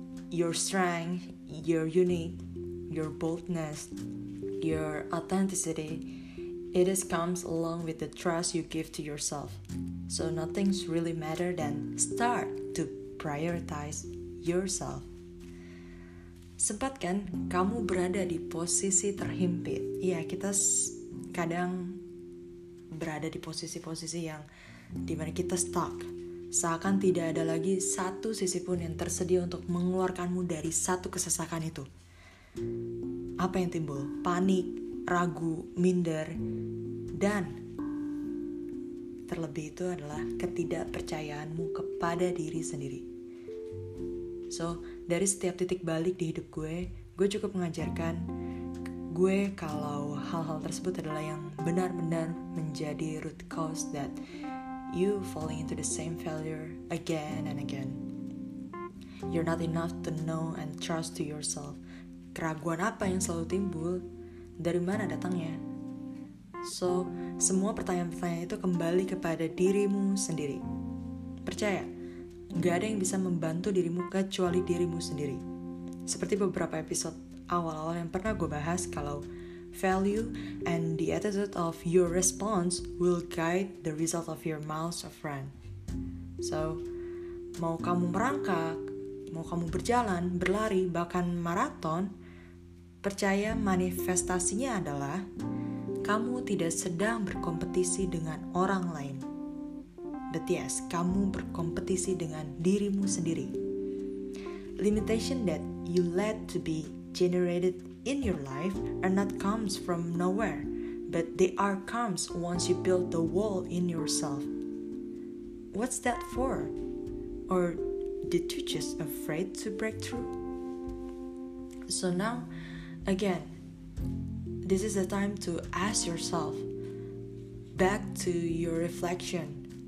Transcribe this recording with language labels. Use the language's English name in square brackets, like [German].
[English] Your strength, your unique, your boldness, your authenticity, it is comes along with the trust you give to yourself. So nothing's really matter than start to prioritize yourself. [Indonesian] Sempat kan kamu berada di posisi terhimpit? Iya, kita kadang berada di posisi-posisi yang dimana kita stuck. Seakan tidak ada lagi satu sisi pun yang tersedia untuk mengeluarkanmu dari satu kesesakan itu. Apa yang timbul? Panik, ragu, minder, dan terlebih itu adalah ketidakpercayaanmu kepada diri sendiri. So, dari setiap titik balik di hidup gue cukup mengajarkan gue kalau hal-hal tersebut adalah yang benar-benar menjadi [English] root cause that you falling into the same failure again and again. You're not enough to know and trust to yourself. [Indonesian] Keraguan apa yang selalu timbul? Dari mana datangnya? So, semua pertanyaan-pertanyaan itu kembali kepada dirimu sendiri. Percaya, gak ada yang bisa membantu dirimu kecuali dirimu sendiri. Seperti beberapa episode awal-awal yang pernah gue bahas, kalau [English] value and the attitude of your response will guide the result of your miles of run. [Indonesian] So, mau kamu merangkak, mau kamu berjalan, berlari, bahkan maraton, percaya manifestasinya adalah kamu tidak sedang berkompetisi dengan orang lain. [English] But yes, [Indonesian] kamu berkompetisi dengan dirimu sendiri. [English] Limitation that you let to be generated in your life are not comes from nowhere, but they are comes once you build the wall in yourself. What's that for? Or did you just afraid to break through? So now, again, this is the time to ask yourself back to your reflection.